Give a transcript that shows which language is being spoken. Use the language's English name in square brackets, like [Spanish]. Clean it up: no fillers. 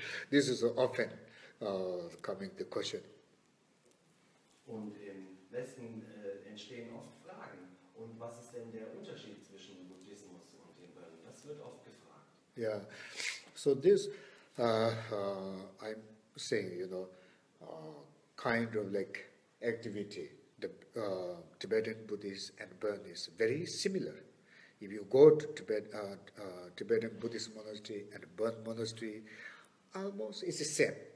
[English] This is often coming the question. [German] Und im Westen entstehen oft Fragen. Und was ist denn der Unterschied zwischen Buddhismus und dem Burn? Das wird oft gefragt. [English] Yeah, so this I'm saying, you know, kind of like activity, the Tibetan Buddhist and Burn is very similar. If you go to Tibet, Tibetan Buddhist monastery and Burn monastery, almost it's the same.